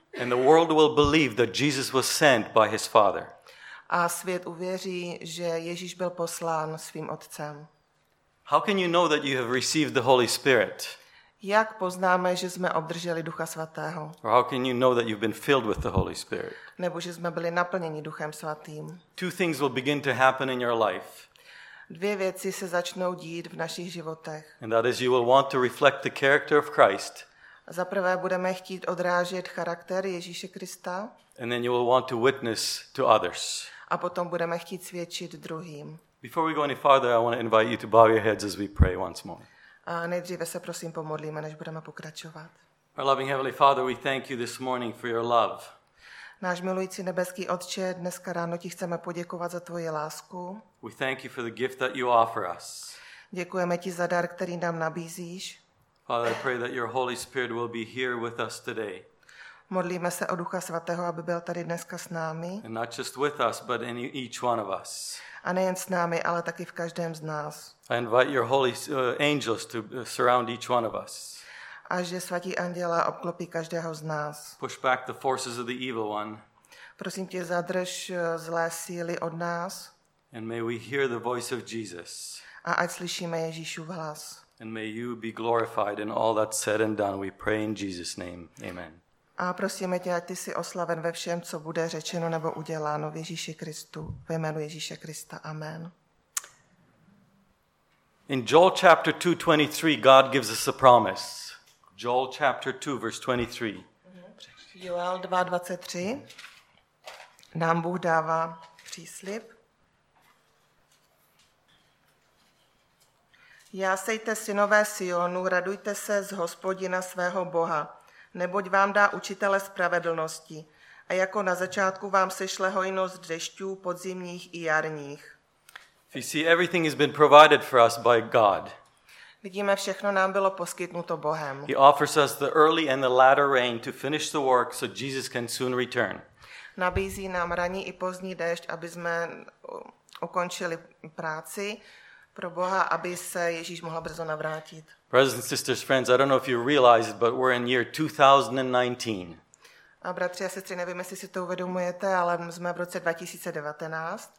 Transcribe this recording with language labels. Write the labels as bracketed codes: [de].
[en] And the world will believe that Jesus was sent by his Father. [cs] A svět uvěří, že Ježíš byl poslán svým Otcem. [en] How can you know that you have received the Holy Spirit? [cs] Jak poznáme, že jsme obdrželi Ducha Svatého? [en] Or how can you know that you've been filled with the Holy Spirit? [cs] Nebo že jsme byli naplněni Duchem Svatým? [en] Two things will begin to happen in your life. [cs] Dvě věci se začnou dít v našich životech. [en] And that is you will want to reflect the character of Christ. [cs] Za prvé budeme chtít odrážet charakter Ježíše Krista. [en] And then you will want to witness to others. [cs] A potom budeme chtít svědčit druhým. [en] Before we go any farther, I want to invite you to bow your heads as we pray once more. [cs] A nejdříve se prosím pomodlíme, než budeme pokračovat. [en] Our loving heavenly Father, we thank you this morning for your love. [cs] Náš milující nebeský Otče, dneska ráno ti chceme poděkovat za tvoji lásku. [en] We thank you for the gift that you offer us. [cs] Děkujeme ti za dar, který nám nabízíš. [en] Father, I pray that your Holy Spirit will be here with us today. [cs] Modlíme se o Ducha Svatého, aby byl tady dneska s námi. [en] And not just with us, but in each one of us. [cs] A nejen s námi, ale taky v každém z nás. [en] I invite your holy angels to surround each one of us. [cs] A že svatí anděla obklopí každého z nás. [en] Push back the forces of the evil one. [cs] Prosím tě, zadrž zlé síly od nás. [en] And may we hear the voice of Jesus. [cs] A ať slyšíme Ježíšův hlas. [en] And may you be glorified in all that's said and done. We pray in Jesus' name. Amen. [cs] A prosíme tě, ať ty jsi oslaven ve všem, co bude řečeno nebo uděláno v Ježíši Kristu. Ve jménu Ježíše Krista. Amen. [en] In Joel chapter 2:23, God gives us a promise. Joel chapter 2, verse 23. [cs] Joel 2:23. Nám Bůh dává příslib. Jásejte, synové Sionu, radujte se z Hospodina svého Boha, neboť vám dá učitele spravedlnosti a jako na začátku vám sešle hojnost dešťů podzimních i jarních. V [en] We see everything has been provided for us by God. [cs] Vidíme, všechno nám bylo poskytnuto Bohem. [en] He offers us the early and the latter rain to finish the work so Jesus can soon return. [cs] Nabízí nám ranní i pozdní déšť, aby jsme ukončili práci pro Boha, aby se Ježíš mohl brzo navrátit. [en] Brothers and sisters, friends, I don't know if you realize it, but we're in year 2019. [cs] A bratři a sestry, nevím, jestli si to uvědomujete, ale jsme v roce 2019.